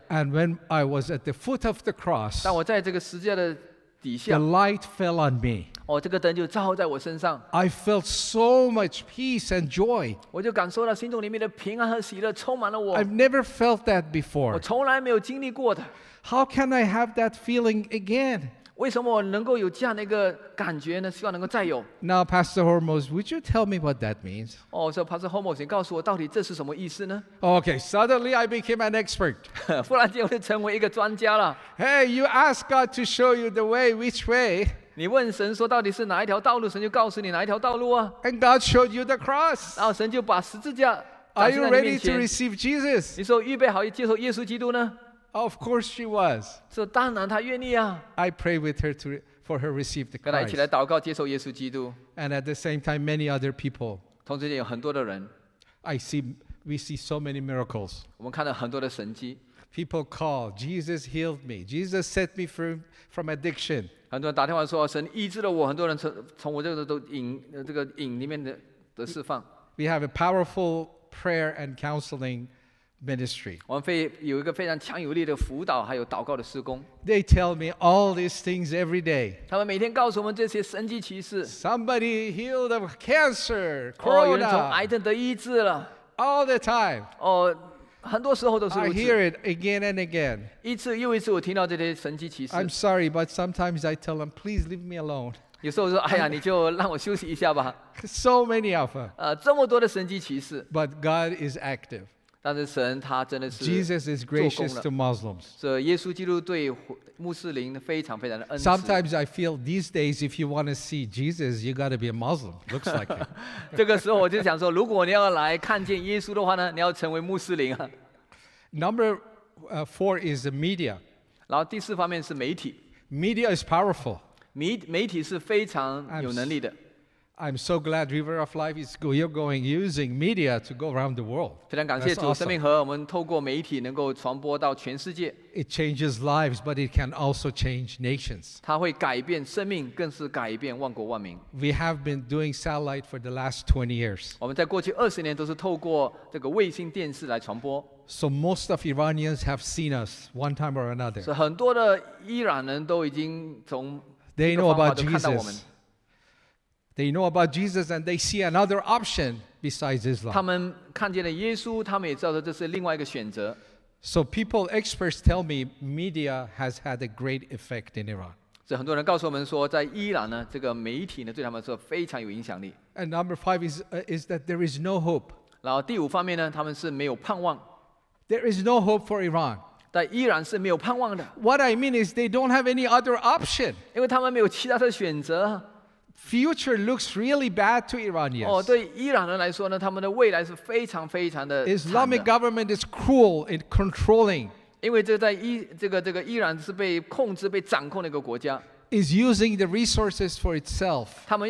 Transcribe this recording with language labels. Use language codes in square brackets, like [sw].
[en] And when I was at the foot of the cross, [zh] 当我在这个十字架的底下。 [en] The light fell on me. [zh] 哦，这个灯就照在我身上。 [en] I felt so much peace and joy. [zh] 我就感受到心中里面的平安和喜乐充满了我。 [en] I've never felt that before. [zh] 我从来没有经历过的。 [en] How can I have that feeling again? [zh] 为什么我能够有这样的一个感觉呢？希望能够再有。 [en] Now, Pastor Hormoz, would you tell me what that means? [zh] 哦，我说 Pastor Hormoz， 你告诉我到底这是什么意思呢 [en] ？Okay, suddenly I became an expert. [zh] 忽然间我就成为一个专家了。 [en] Hey, you ask God to show you the way, which way? [zh] 你问神说到底是哪一条道路，神就告诉你哪一条道路啊。 [en] And God showed you the cross. [zh] 然后神就把十字架展现在你面前。 [en] Are you ready to receive Jesus? [zh] 你说预备好接受耶稣基督呢？ [en] Of course she was. [zh] 这当然她愿意啊。 [en] I pray with her for her receive the Christ. [zh] 跟她一起来祷告接受耶稣基督。 [en] And at the same time, many other people. [zh] 同时间有很多的人。 [en] We see so many miracles. [zh] 我们看到很多的神迹。 [en] People call, Jesus healed me. Jesus set me free from addiction. [zh] 很多人打电话说神医治了我。很多人从我这个瘾里面的释放。 [en] We have a powerful prayer and counseling. Ministry. [zh] 我们有一个非常强有力的辅导，还有祷告的事工。 [en] They tell me all these things every day. [zh] 他们每天告诉我们这些神迹奇事。 [en] Somebody healed of cancer, corona. [zh] 有人从癌症得医治了。 [en] All the time. [zh] 很多时候都是如此。 [en] I hear it again and again. [zh] 一次又一次，我听到这些神迹奇事。 [en] I'm sorry, but sometimes I tell them, please leave me alone. [zh] 有时候我说，哎呀，你就让我休息一下吧。 [en] So many of them. [zh] 这么多的神迹奇事。 [en] But God is active. [zh] 但是神他真的是 [en] Jesus is gracious to Muslims. [zh] 所以耶稣基督对穆斯林非常非常的恩慈。 [en] Sometimes I feel these days, if you want to see Jesus, you got to be a Muslim. Looks like it. [zh] 这个时候我就想说，如果你要来看见耶稣的话呢，你要成为穆斯林啊。 [en] Number 4 is the media. [zh] 然后第四方面是媒体。 [en] Media is powerful. [zh] 媒体是非常有能力的。 [en] I'm so glad River of Life is using media to go around the world. [zh] 非常感谢主，生命河，我们透过媒体能够传播到全世界。 [en] It changes lives, but it can also change nations. [zh] 它会改变生命，更是改变万国万民。 [en] We have been doing satellite for the last 20 years. [zh] 我们在过去20年都是透过这个卫星电视来传播。 [en] So most of Iranians have seen us one time or another. [zh] 所以很多的伊朗人都已经从 [en] They know about Jesus. They know about Jesus and they see another option besides Islam. [zh] 他们看见了耶稣，他们也知道这是另外一个选择。 [en] So people, experts tell me media has had a great effect in Iran. [zh] 所以很多人告诉我们说，在伊朗呢，这个媒体呢，对他们说非常有影响力。 [en] And number 5 is that there is no hope. [zh] 然后第五方面呢，他们是没有盼望。 [en] There is no hope for Iran. [zh] 但依然是没有盼望的。 [en] What I mean is they don't have any other option. [zh] 因为他们没有其他的选择。 [en] Future looks really bad to Iranians. [zh] 对伊朗人来说呢，他们的未来是非常非常的惨的。 [en] Islamic government is cruel in controlling. [zh] 因为这在伊这个伊朗是被控制、被掌控的一个国家。 [en] is using the resources for itself.